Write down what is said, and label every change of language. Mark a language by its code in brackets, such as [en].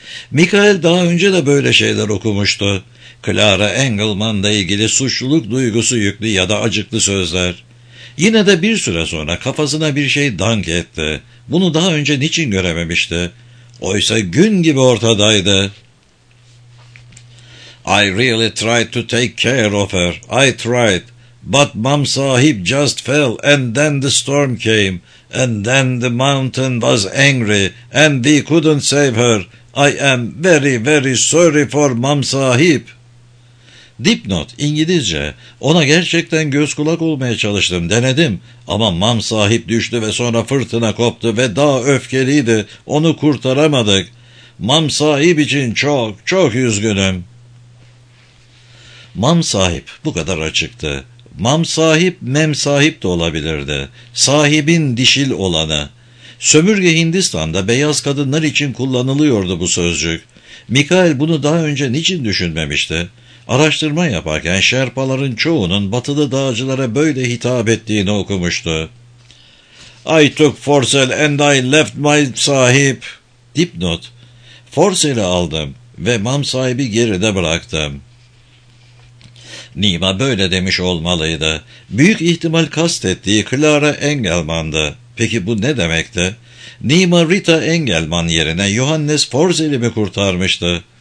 [tr] Mikael daha önce de böyle şeyler okumuştu. Clara Engelman'la ilgili suçluluk duygusu yüklü ya da acıklı sözler. Yine de bir süre sonra kafasına bir şey dank etti. Bunu daha önce niçin görememişti? Oysa gün gibi ortadaydı. [en] I really tried to take care of her. I tried. But mom sahib just fell and then the storm came. And then the mountain was angry and we couldn't save her. I am very very sorry for mom sahib. [tr] Dipnot, İngilizce. Ona gerçekten göz kulak olmaya çalıştım, denedim. Ama mam sahip düştü ve sonra fırtına koptu ve dağ öfkeliydi. Onu kurtaramadık. Mam sahip için çok, çok üzgünüm. Mam sahip, bu kadar açıktı. Mam sahip, mem sahip de olabilirdi. Sahibin dişil olanı. Sömürge Hindistan'da beyaz kadınlar için kullanılıyordu bu sözcük. Mikael bunu daha önce niçin düşünmemişti? Araştırma yaparken şerpaların çoğunun batılı dağcılara böyle hitap ettiğini okumuştu. [en] I took forcel and I left my sahip. [tr] Dipnot. Forcel'i aldım ve mam sahibi geride bıraktım. Nima böyle demiş olmalıydı. Büyük ihtimal kastettiği Clara Engelman'dı. Peki bu ne demekti? Nima Rita Engelman yerine Johannes Forcel'i mi kurtarmıştı?